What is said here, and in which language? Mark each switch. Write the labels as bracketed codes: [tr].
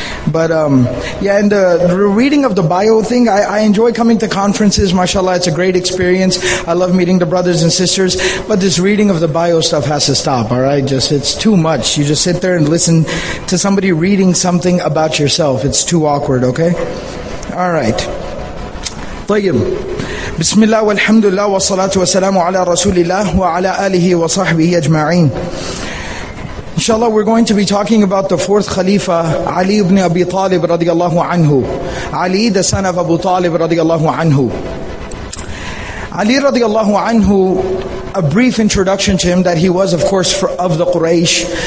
[en] But and the reading of the bio thing, I enjoy coming to conferences, mashallah, it's a great experience. I love meeting the brothers and sisters, but this reading of the bio stuff has to stop, alright? Just, it's too much. You just sit there and listen to somebody reading something about yourself. It's too awkward, okay? Alright. طيب. [ar] بسم الله والحمد لله والصلاة والسلام على رسول الله وعلى آله وصحبه أجمعين. [en] Inshallah, we're going to be talking about the fourth Khalifa, Ali ibn Abi Talib radiallahu anhu. Ali, the son of Abu Talib radiallahu anhu. Ali radiallahu anhu, a brief introduction to him, that he was, of course, of the Quraysh.